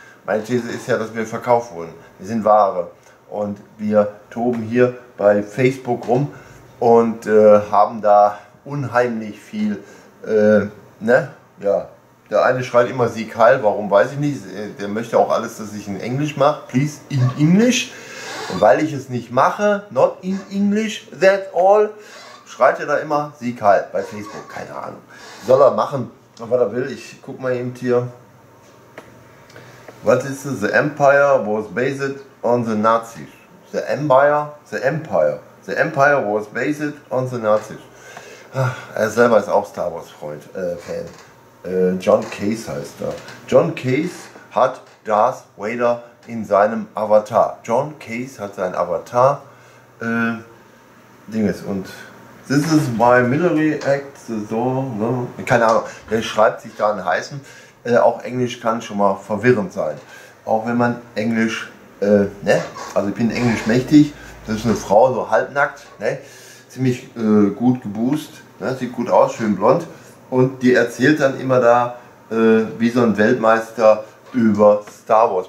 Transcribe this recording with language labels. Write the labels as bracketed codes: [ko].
[de] Meine These ist ja, dass wir verkauft wurden. Wir sind Ware. Und wir toben hier bei Facebook rum und haben da unheimlich viel. Der eine schreit immer Sieg Heil, warum weiß ich nicht. Der möchte auch alles, dass ich in Englisch mache. [en] Please, [de] in Englisch. Und weil ich es nicht mache, [en] not in English, that's all, [de] schreit er da immer Sieg Heil bei Facebook. Keine Ahnung. Soll er machen, was er will. Ich guck mal eben hier. [en] What is the empire was based on the Nazis? The empire was based on the Nazis. [de] Er selber ist auch Star Wars Freund, Fan. John Case heißt er. John Case hat Darth Vader in seinem Avatar. John Case hat sein Avatar. Dinges. Und [en] this is my military act. [de] So, ne? Keine Ahnung. Der schreibt sich da einen heißen. Auch Englisch kann schon mal verwirrend sein. Auch wenn man Englisch, ne? Also ich bin Englisch mächtig. Das ist eine Frau, so halbnackt, ne? Ziemlich gut geboost, ne? Sieht gut aus, schön blond. Und die erzählt dann immer da, wie so ein Weltmeister über Star Wars.